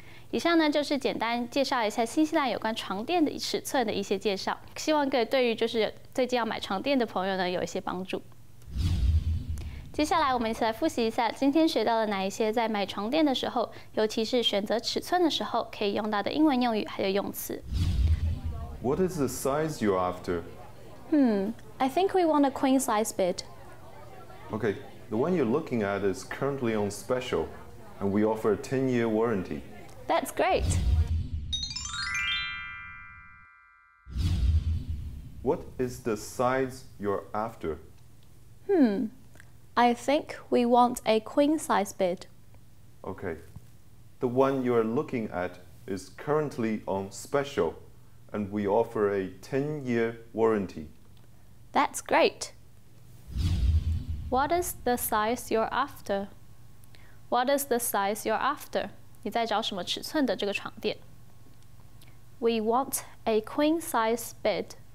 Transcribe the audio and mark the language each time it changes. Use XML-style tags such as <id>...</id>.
<zh>以上呢就是简单介绍一下新西兰有关床垫的尺寸的一些介绍，希望各位对于就是最近要买床垫的朋友呢有一些帮助。接下来我们一起来复习一下今天学到了哪一些在买床垫的时候，尤其是选择尺寸的时候可以用到的英文用语还有用词。</zh> <en>What is the size you're after? I think we want a queen size bed. OkayThe one you're looking at is currently on special, and we offer a 10-year warranty. That's great! What is the size you're after? I think we want a queen-size bed. Okay. The one you're looking at is currently on special, and we offer a 10-year warranty. That's great! What is the size you're after? What is the size you're after?</en> <zh>你在找什么尺寸的这个床垫 ？</zh> <en>We want a queen size bed.</en>